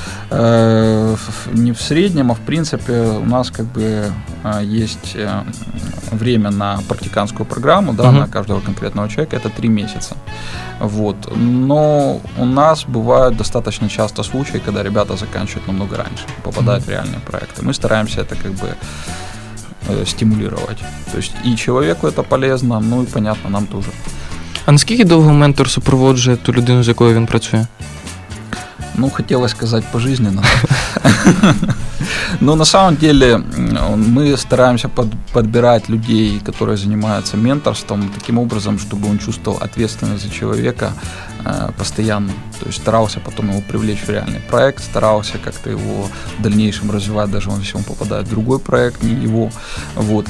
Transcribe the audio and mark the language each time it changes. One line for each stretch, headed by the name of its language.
Russian: Не в среднем, а в принципе у нас как бы есть время на практикантскую программу, да, на каждого конкретного человека, это 3 месяца. Вот. Но у нас бывают достаточно часто случаи, когда ребята заканчивают намного раньше, попадают в реальные проекты. Мы стараемся это как бы стимулировать. То есть и человеку это полезно, ну и понятно, нам тоже.
Ukrainian: А наскільки довго ментор супроводжує ту людину, з якою він працює?
Russian: Ну, хотелось сказать пожизненно. Но на самом деле мы стараемся подбирать людей, которые занимаются менторством, таким образом, чтобы он чувствовал ответственность за человека постоянно. То есть старался потом его привлечь в реальный проект, старался как-то его в дальнейшем развивать, даже если он попадает в другой проект, не его. Вот.